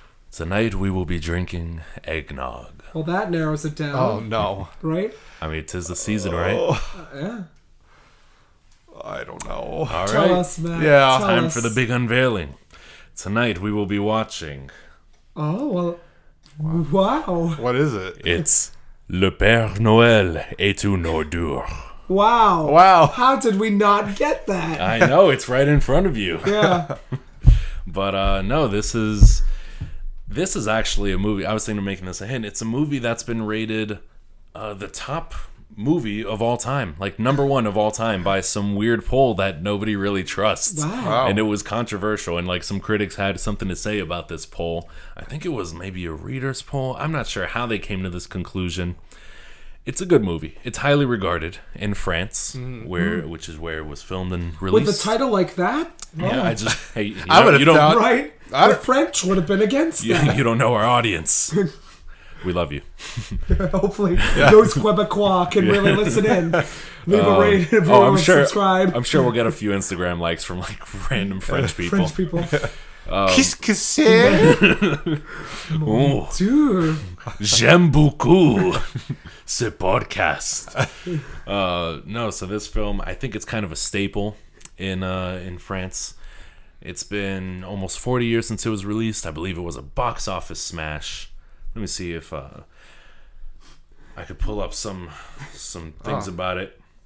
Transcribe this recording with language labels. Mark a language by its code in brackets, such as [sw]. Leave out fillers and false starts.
[en] Tonight we will be drinking eggnog. Well, that narrows it down. Oh no. Right? I mean, 'tis the season, right? Yeah. I don't know. All right. Tell us, Matt. Yeah. Time for the big unveiling. Tonight we will be watching. Oh, well. Wow. What is it? It's Le Père Noël est une ordure. Wow. Wow. How did we not get that? I know, it's right in front of you. Yeah. But no, this is actually a movie. I was thinking of making this a hint. It's a movie that's been rated the top movie of all time. Like number one of all time by some weird poll that nobody really trusts. Wow. And it was controversial, and like some critics had something to say about this poll. I think it was maybe a reader's poll. I'm not sure how they came to this conclusion. It's a good movie. It's highly regarded in France, which is where it was filmed and released. With a title like that? Oh. Yeah, I just hate you. The French would have been against you. You don't know our audience. We love you. Hopefully, yeah. those Quebecois can yeah. really listen in. Leave a rate if you want to subscribe. I'm sure we'll get a few Instagram likes from like random French people. French people. [fr] Qu'est-ce que c'est? Mon Dieu. J'aime beaucoup ce podcast. [en] No, so this film, I think it's kind of a staple in France. It's been almost 40 years since it was released. I believe it was a box office smash. Let me see if I could pull up some things about it.